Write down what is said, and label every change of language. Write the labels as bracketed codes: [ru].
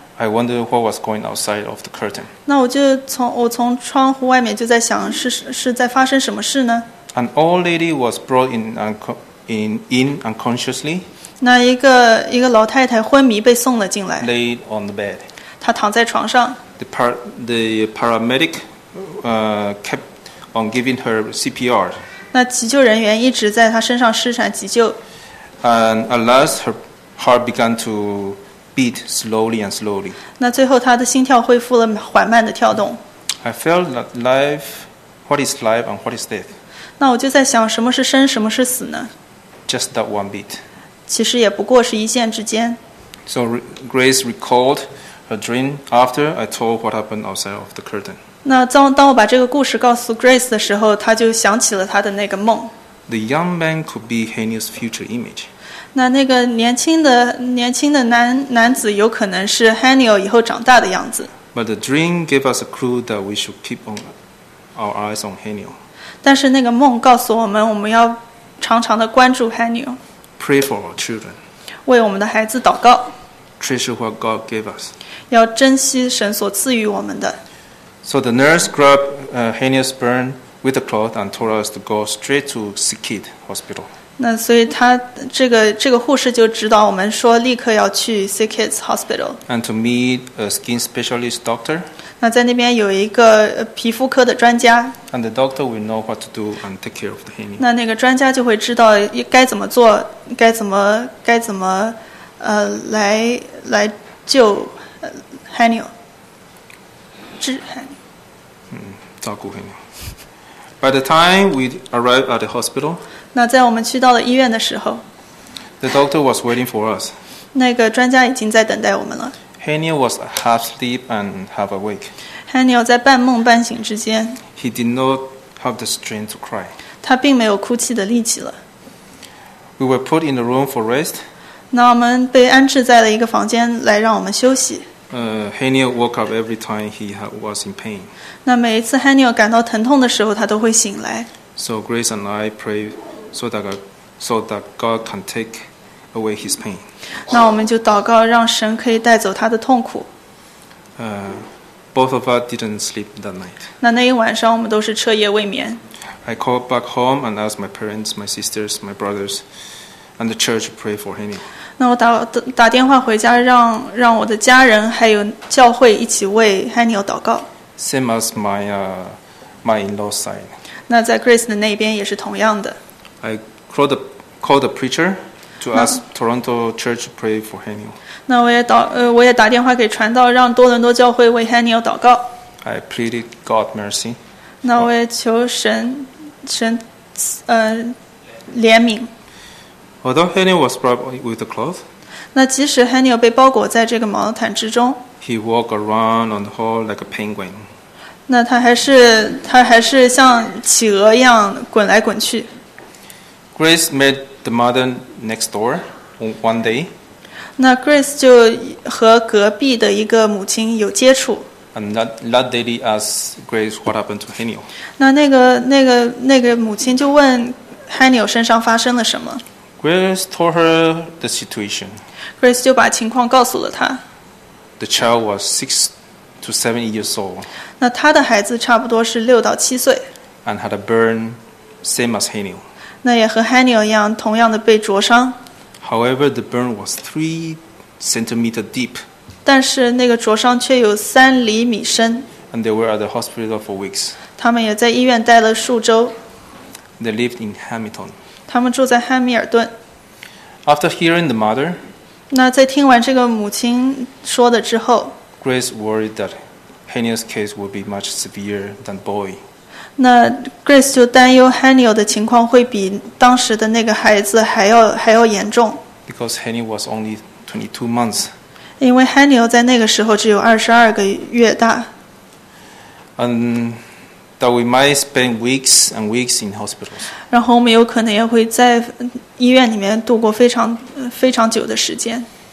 [en] I wonder what was going outside of the curtain [zh] 那我从窗户外面就在想是在发生什么事呢 [en] An old lady was brought in unconsciously [zh] 那一个老太太昏迷被送了进来 [en] laid on the bed [zh] 她躺在床上 [en] the paramedic kept on giving her CPR [zh] 那急救人员一直在她身上施展急救 [en] And at last, her heart began to beat slowly and slowly. [zh] 那最后她的心跳恢复了缓慢的跳动。 [en] I felt that life, what is life and what is death? [zh] 那我就在想什么是生什么是死呢 [en] Just that one beat. [zh] 其实也不过是一线之间。 [en] So Grace recalled her dream after I told what happened outside of the curtain. [zh] 那当我把这个故事告诉 Grace 的时候她就想起了她的那个梦。 [en] The young man could be Haniel's future image. [zh] 那个年轻的男子有可能是 Haniel 以后长大的样子。 [en] But the dream gave us a clue that we should keep on our eyes on Haniel. [zh] 但是那个梦告诉我们，我们要常常的关注 Haniel. [en] Pray for our children. [zh] 为我们的孩子祷告。 [en] Treasure what God gave us. [zh] 要珍惜神所赐予我们的。 [en] So the nurse grabbed Haniel's burn. With a cloth and told us to go straight to SickKid Hospital. [zh] 那所以他这个护士就指导我们说立刻要去 SickKid Hospital. [en] And to meet a skin specialist doctor. [zh] 那在那边有一个皮肤科的专家。 [en] And the doctor will know what to do and take care of the Haniel. [zh] 那个专家就会知道该怎么做，该怎么来救 Haniel， 治 Haniel。照顾 Haniel。 [en] By the time we arrived at the hospital, [zh] 那在我们去到了医院的时候 [en] the doctor was waiting for us. [zh] 那个专家已经在等待我们了。 [en] Haniel was half asleep and half awake. [zh] Haniel 在半梦半醒之间。 [en] He did not have the strength to cry. [zh] 他并没有哭泣的力气了。 [en] We were put in the room for rest. [zh] 那我们被安置在了一个房间来让我们休息。 [en] Haniel woke up every time he was in pain. [zh] 那每一次 Haniel 感到疼痛的时候，他都会醒来。 [en] So Grace and I pray so that God can take away his pain. [zh] 那我们就祷告，让神可以带走他的痛苦。 [en] Both of us didn't sleep that night. [zh] 那一晚上我们都是彻夜未眠。 [en] I called back home and asked my parents, my sisters, my brothers, and the church to pray for Haniel. [zh] 那我打电话回家让我的家人还有教会一起为 Haniel 祷告 [en] Same as my in-law side [zh] 那在 Grace 的那边也是同样的 [en] I called the preacher to ask Toronto Church to pray for Haniel [zh] 那我也打电话给传道让多伦多教会为 Haniel 祷告 [en] I pleaded God mercy [zh] 那我也求神怜悯 [en] Although Haniel was brought with a cloth, [zh] 那即使 Haniel 被包裹在这个毛毯之中， [en] He walked around on the hall like a penguin. [zh] 那他还是像企鹅一样滚来滚去。 [en] Grace met the mother next door one day. [zh] 那 Grace 就和隔壁的一个母亲有接触。 [en] And that lady asked Grace what happened to Haniel. [zh] 那个母亲就问 Haniel 身上发生了什么。 [en] Grace told her the situation. [zh] Grace 就把情况告诉了他。 [en] The child was 6 to 7 years old. [zh] 那他的孩子差不多是6到7岁。 [en] And had a burn same as Haniel. [zh] 那也和 Haniel 一样，同样的被灼伤。 [en] However, the burn was 3 centimeters deep. [zh] 但是那个灼伤却有3厘米深。 [en] And they were at the hospital for weeks. [zh] 他们也在医院待了数周。 [en] They lived in Hamilton. [zh] 他们住在汉密尔顿。 [en] After hearing the mother, [zh] 那在听完这个母亲说的之后， [en] Grace worried that Haniel's case would be much severe than boy. [zh] 那 Grace 就担忧 Haniel 的情况会比当时的那个孩子还要严重。 [en] Because Haniel was only 22 months. [zh] 因为 Haniel 在那个时候只有22个月大。 [en] And that we might spend weeks and weeks in hospitals. [zh] 然后我们有可能也会在医院里面度过非常非常久的时间。